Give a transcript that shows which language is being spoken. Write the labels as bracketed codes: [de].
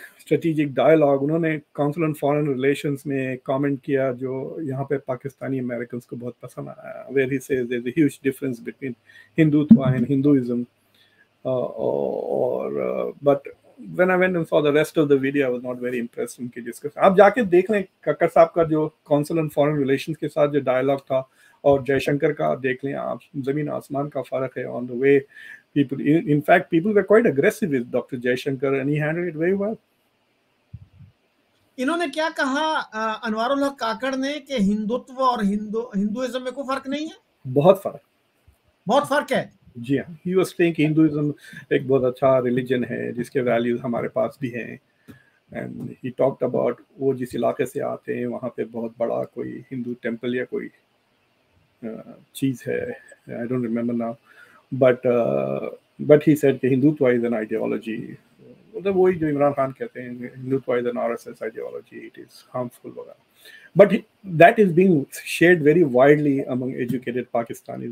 [ur] Strategic dialogue انہوں نے council on foreign relations میں کامنٹ کیا جو یہاں پہ پاکستانی امریکنز کو بہت پسند آیا, [en] where he says there is a huge difference between Hindutva and Hinduism اور but when I went and saw the rest of the video I was not very impressed [ur] ان کی ڈسکشن. آپ جا کے دیکھ لیں ککر صاحب کا جو کاؤنسل آن فارن ریلیشنز کے ساتھ جو ڈائلاگ تھا اور جے شنکر کا دیکھ لیں آپ, زمین آسمان کا فرق ہے. [en] On the way people in fact people were quite aggressive with Dr. Jaishankar and he handled it very well. [ur] انہوں نے کیا کہا انوار الحق کاکڑ نے کہ ہندوتو اور ہندوازم میں کوئی فرق نہیں ہے؟ بہت فرق ہے. جی ہاں, [en] he was saying [ur] ہندوازم ایک بہت اچھا ریلیجن ہے جس کے ویلیوز ہمارے پاس بھی ہیں, [en] and he talked about [ur] وہ جس علاقے سے آتے ہیں وہاں پہ بہت بڑا کوئی ہندو ٹیمپل یا کوئی چیز ہے, [en] I don't remember now. But he said that Hindutva is an ideology. The way that Imran Khan says that Hindutva is an RSS ideology, it is harmful. But that is being shared very widely among educated Pakistanis.